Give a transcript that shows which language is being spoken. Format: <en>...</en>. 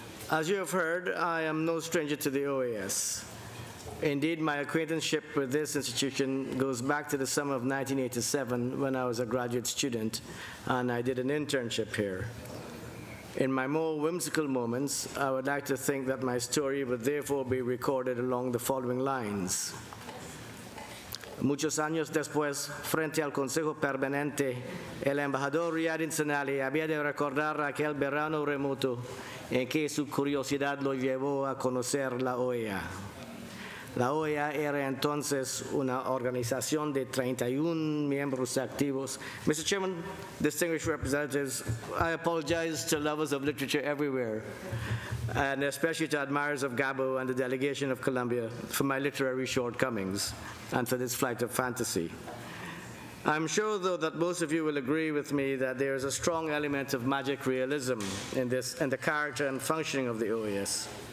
<en>As you have heard, I am no stranger to the OAS. Indeed, my acquaintanceship with this institution goes back to the summer of 1987 when I was a graduate student and I did an internship here. In my more whimsical moments, I would like to think that my story would therefore be recorded along the following lines.</en> <es>Muchos años después, frente al Consejo Permanente, el embajador Riyad Ihsan Ali había de recordar aquel verano remoto en que su curiosidad lo llevó a conocer la OEA. La OEA era entonces una organización de 31 miembros activos.</es> <en>Mr. Chairman, distinguished representatives, I apologize to lovers of literature everywhere, and especially to admirers of Gabo and the delegation of Colombia for my literary shortcomings and for this flight of fantasy. I'm sure, though, that most of you will agree with me that there is a strong element of magic realism in this, in the character and functioning of the OAS.</en>